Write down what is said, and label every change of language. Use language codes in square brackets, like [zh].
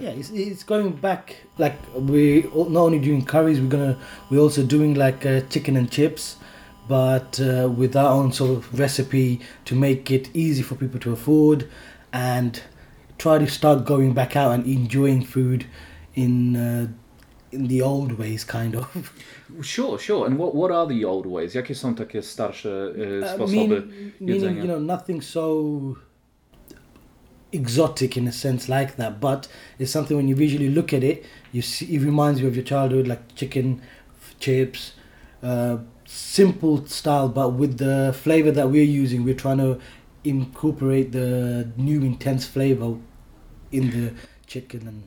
[en] Yeah, it's going back, like we're not only doing curries, we're also doing like chicken and chips. But with our own sort of recipe to make it easy for people to afford and try to start going back out and enjoying food in the old ways, kind of. Sure. And what are the old ways? [pl] Jakie są takie starsze sposoby? [en] Meaning, you know, nothing so exotic in a sense like that, but it's something when you visually look at it, you see, it reminds you of your childhood, like chicken, chips, simple style, but with the flavor that we're using, we're trying to incorporate the new intense flavor in the chicken.